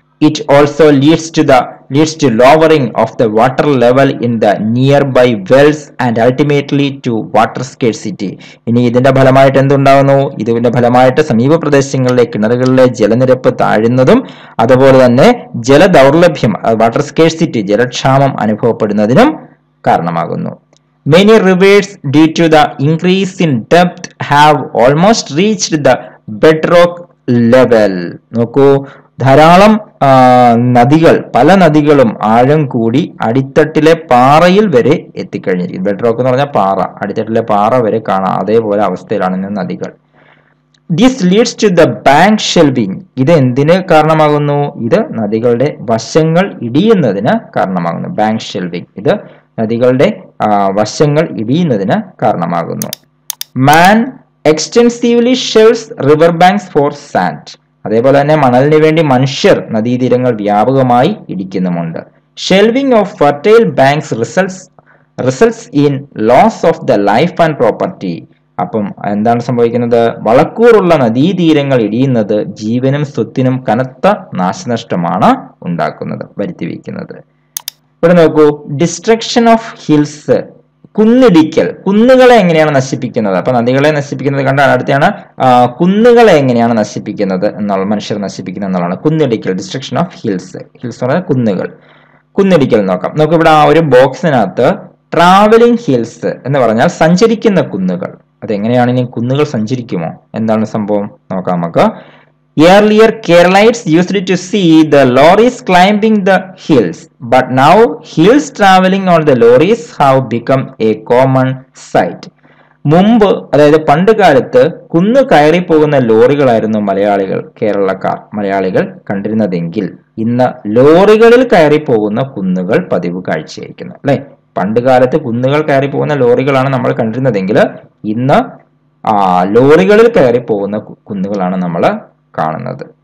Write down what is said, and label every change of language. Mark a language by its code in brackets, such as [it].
[en] It also leads to lowering of the water level in the nearby wells and ultimately to water scarcity. [ml] ഇനി ഇതിന്റെ ഫലമായിട്ട് എന്തുണ്ടാകുന്നു? ഇതിന്റെ ഫലമായിട്ട് സമീപ പ്രദേശങ്ങളിലെ കിണറുകളിലെ ജലനിരപ്പ് താഴുന്നതും അതുപോലെ തന്നെ ജലദൗർലഭ്യം, വാട്ടർ സ്കേഴ്സിറ്റി, ജലക്ഷാമം അനുഭവപ്പെടുന്നതിനും കാരണമാകുന്നു. [en] Many rivers due to the increase in depth have almost reached the bedrock level. [ml] നോക്കു, ധാരാളം നദികൾ, പല നദികളും ആഴം കൂടി അടിത്തട്ടിലെ പാറയിൽ വരെ എത്തിക്കഴിഞ്ഞിരിക്കും. ബെഡ്റോക്ക് എന്ന് പറഞ്ഞാൽ പാറ, അടിത്തട്ടിലെ പാറ വരെ കാണാം. അതേപോലെ അവസ്ഥയിലാണ് ഇന്ന് നദികൾ. [en] This leads to the bank shelving. [ml] ഇത് എന്തിന് കാരണമാകുന്നു? ഇത് നദികളുടെ വശങ്ങൾ ഇടിയുന്നതിന് കാരണമാകുന്നു. ബാങ്ക് ഷെൽവിംഗ്, ഇത് നദികളുടെ വശങ്ങൾ ഇടിയുന്നതിന് കാരണമാകുന്നു. [en] Man extensively shelves river banks for sand. [ml] അതേപോലെ തന്നെ മണലിന് വേണ്ടി മനുഷ്യർ നദീതീരങ്ങൾ വ്യാപകമായി ഇടിക്കുന്നുമുണ്ട്. [en] Shelving of fertile banks results in loss of the life and property. [ml] അപ്പം എന്താണ് സംഭവിക്കുന്നത്? വളക്കൂറുള്ള നദീതീരങ്ങൾ ഇടിയുന്നത് ജീവനും സ്വത്തിനും കനത്ത നാശനഷ്ടമാണ് ഉണ്ടാക്കുന്നത്, വരുത്തിവെക്കുന്നത്. ഇവിടെ നോക്കൂ, [en] destruction of hills, [ml] കുന്നിടിക്കൽ. കുന്നുകളെ എങ്ങനെയാണ് നശിപ്പിക്കുന്നത്? അപ്പൊ നദികളെ നശിപ്പിക്കുന്നത് കണ്ടാണ്. അടുത്തയാണ് കുന്നുകളെ എങ്ങനെയാണ് നശിപ്പിക്കുന്നത് എന്നുള്ള, മനുഷ്യർ നശിപ്പിക്കുന്നത് എന്നുള്ളതാണ് കുന്നിടിക്കൽ, [en] Destruction of hills. [ml] ഹിൽസ് എന്ന് പറഞ്ഞാൽ കുന്നുകൾ. കുന്നിടിക്കൽ നോക്കാം. നോക്കൂ, ഇവിടെ ആ ഒരു ബോക്സിനകത്ത് ട്രാവലിംഗ് ഹിൽസ് എന്ന് പറഞ്ഞാൽ സഞ്ചരിക്കുന്ന കുന്നുകൾ. അതെങ്ങനെയാണ് ഇനി കുന്നുകൾ സഞ്ചരിക്കുമോ, എന്താണ് സംഭവം നോക്കാം നമുക്ക്. [en] Earlier, Keralites used to see the lorries climbing the hills. But now, hills traveling on the lorries have become a common sight. [ml] മുമ്പ്, അതായത് പണ്ട് കാലത്ത് കുന്നു കയറി പോകുന്ന ലോറികളായിരുന്നു മലയാളികൾ, കേരളക്കാർ, മലയാളികൾ കണ്ടിരുന്നതെങ്കിൽ ഇന്ന് ലോറികളിൽ കയറി പോകുന്ന കുന്നുകൾ പതിവ് കാഴ്ചയായിരിക്കുന്നു അല്ലെ. പണ്ട് കാലത്ത് കുന്നുകൾ കയറി പോകുന്ന ലോറികളാണ് നമ്മൾ കണ്ടിരുന്നതെങ്കിൽ ഇന്ന് ലോറികളിൽ കയറി പോകുന്ന കുന്നുകളാണ് നമ്മൾ കാണുന്നത്.